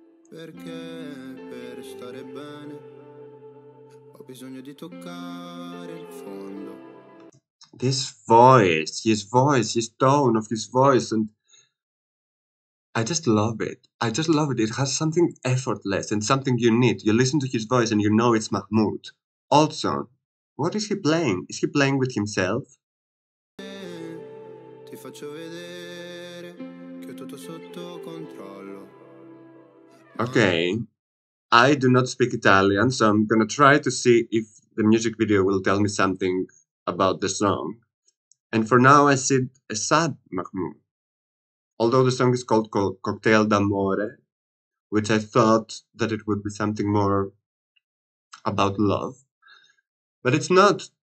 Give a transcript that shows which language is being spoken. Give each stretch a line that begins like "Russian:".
Italian: Perché per stare bene ho bisogno di toccare il fondo.
English: This voice, his tone of his voice, and I just love it. It has something effortless and something unique. You listen to his voice and you know it's Mahmood. Also, what is he playing? Is he playing with himself?
Italian: Ti faccio vedere che ho tutto sotto controllo.
English: Okay, I do not speak Italian, so I'm gonna try to see if the music video will tell me something about the song. And for now, I see a sad Mahmood. Although the song is called Cocktail d'Amore, which I thought that it would be something more about love. But it's not.